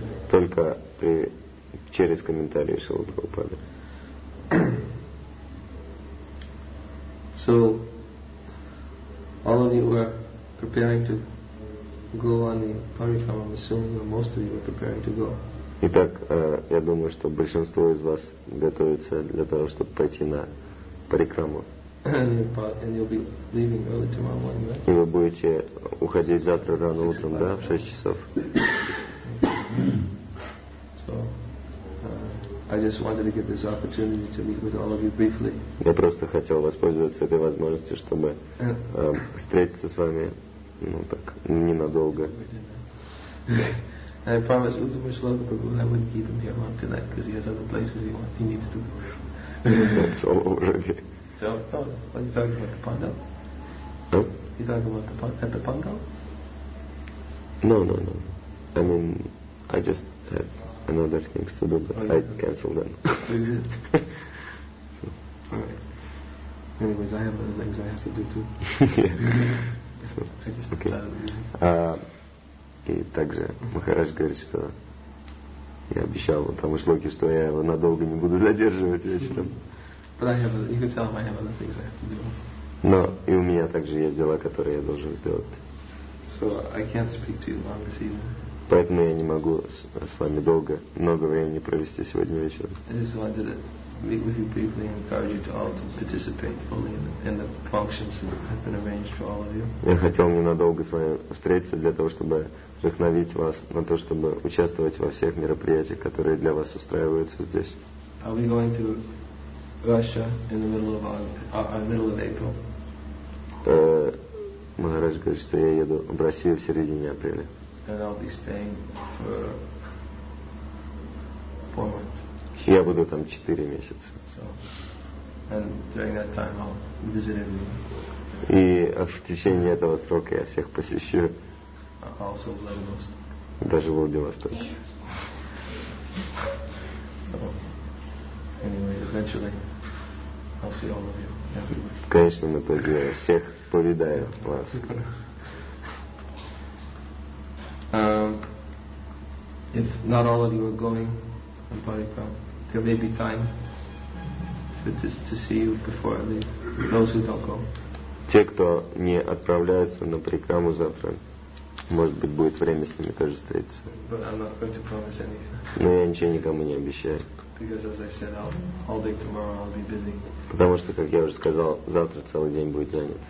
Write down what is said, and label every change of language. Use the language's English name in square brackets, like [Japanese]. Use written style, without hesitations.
[Russian] Только через комментарии Шрила Прабхупада. [English] So, all of you were preparing to go on the Parikrama. I'm assuming that most of you were preparing to go. [Russian] Итак, я думаю, что большинство из вас готовится для того, чтобы пойти на Парикраму. [English] And you'll be leaving early tomorrow morning, right? [Russian] И вы будете уходить завтра рано утром, да, в 6 часов. [English] So, I just wanted to get this opportunity to meet with all of you briefly. [Russian] Я просто хотел воспользоваться этой возможностью, чтобы встретиться с вами, ну так, ненадолго. [English] I promised Uttam Shloka Prabhu I wouldn't keep him here long tonight because he has other places he needs to go. That's all already. So, what are you talking about, the Pandal? Huh? You talking about the Pandal? No. I mean, I just had another things to do, but I canceled them. So. All right. Anyways, I have other things I have to do too. Yeah. So, okay. [Russian] И также Махарадж говорит, что я обещал тому Шлоке, что я его надолго не буду задерживать вечером. Но и у меня также есть дела, которые я должен сделать. [English] So I can't speak to you long this evening. [Russian] Поэтому я не могу с вами долго, много времени провести сегодня вечером. [English] I just wanted to meet with you briefly and encourage you to all to participate fully in the functions that have been arranged for all of you. [Russian] Я хотел ненадолго с вами встретиться для того, чтобы вдохновить вас на то, чтобы участвовать во всех мероприятиях, которые для вас устраиваются здесь. [English] Are we going to Russia in the middle of middle of April? [Russian] Махарадж говорит, что я еду в Россию в середине апреля. [English] And I'll be staying for 4 months. [Russian] Я буду там 4 месяца. [English] So, and during that time I'll visit everyone. [Russian] И в течение этого срока я всех посещу. Also в Владивостоке. Даже в Владивостоке. [English] So, anyways, eventually I'll see all of you. [Russian] В конечном итоге я всех повидаю вас. [English] If not all of you are going on Parikram, there may be time to see you before the those who don't go. [Russian] Те, кто не отправляются на Парикраму завтра, может быть, будет время с ними тоже встретиться. [English] But I'm not going to promise anything. [Russian] Но я ничего никому не обещаю. [English] Because as I said, all day tomorrow I'll be busy. [Russian] Потому что, как я уже сказал, завтра целый день будет занят.